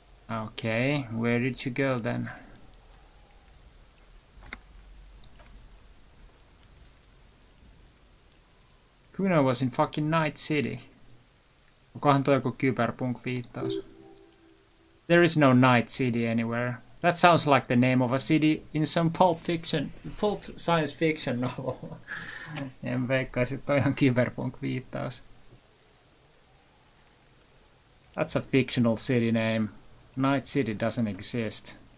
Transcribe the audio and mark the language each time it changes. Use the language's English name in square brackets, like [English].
[English] Okay, where did you go then? Kuno was in fucking Night City. [Finnish] Onkohan toi joku kyberpunk-viittaus? [English] There is no Night City anywhere. That sounds like the name of a city in some pulp science fiction novel. [Finnish] En veikkaisi, toi on kyberpunk-viittaus. [English] That's a fictional city name. Night City doesn't exist.